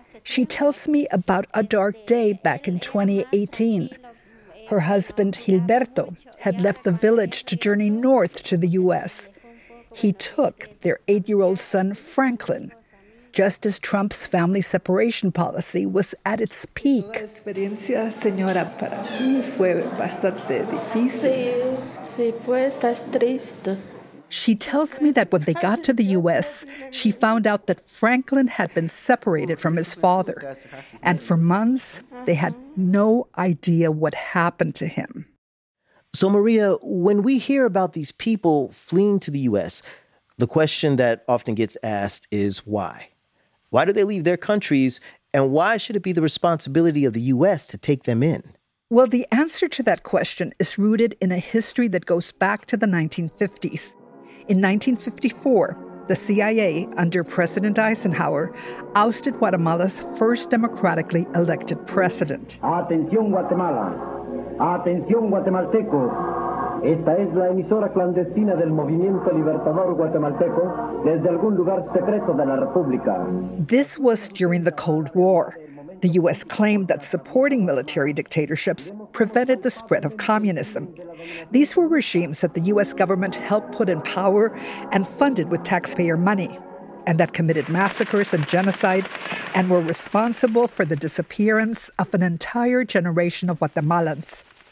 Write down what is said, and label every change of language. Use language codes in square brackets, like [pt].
[en] She tells me about a dark day back in 2018. Her husband, Gilberto, had left the village to journey north to the U.S. He took their 8-year-old son, Franklin. just as Trump's family separation policy was at its peak. [es] La experiencia, señora, para mí fue bastante difícil. Sí, pues estás triste. [en] She tells me that when they got to the U.S., she found out that Franklin had been separated from his father. And for months, they had no idea what happened to him. So, Maria, when we hear about these people fleeing to the U.S., the question that often gets asked is why? Why do they leave their countries, and why should it be the responsibility of the U.S. to take them in? Well, the answer to that question is rooted in a history that goes back to the 1950s. In 1954, the CIA, under President Eisenhower, ousted Guatemala's first democratically elected president. [es] Atención, Guatemala. Atención, guatemaltecos. Esta es la emisora clandestina del Movimiento Libertador Guatemalteco desde algún lugar secreto de la República. [en] This was during the Cold War. The U.S. claimed that supporting military dictatorships prevented the spread of communism. These were regimes that the U.S. government helped put in power and funded with taxpayer money, and that committed massacres and genocide and were responsible for the disappearance of an entire generation of Guatemalans.